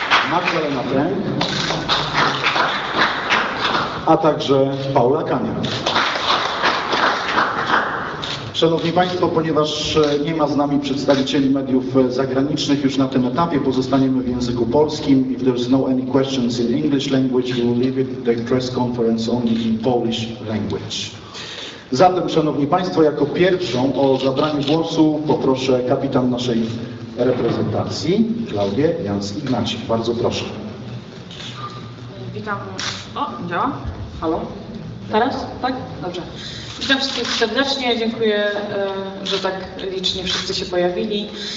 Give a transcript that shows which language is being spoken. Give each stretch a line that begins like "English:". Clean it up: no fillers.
Polish: Magdalena Pręk. A także Paula Kania. Szanowni Państwo, ponieważ nie ma z nami przedstawicieli mediów zagranicznych już na tym etapie, pozostaniemy w języku polskim.
English: If there's no any questions in English language, we'll leave it the press conference only in Polish language.
Polish: Zatem, Szanowni Państwo, jako pierwszą o zabranie głosu poproszę kapitan naszej reprezentacji, Klaudię Jans-Ignacik. Bardzo proszę. Witam. O, działa? Halo? Teraz? Tak? Dobrze. Witam wszystkich serdecznie. Dziękuję, że tak licznie wszyscy się pojawili.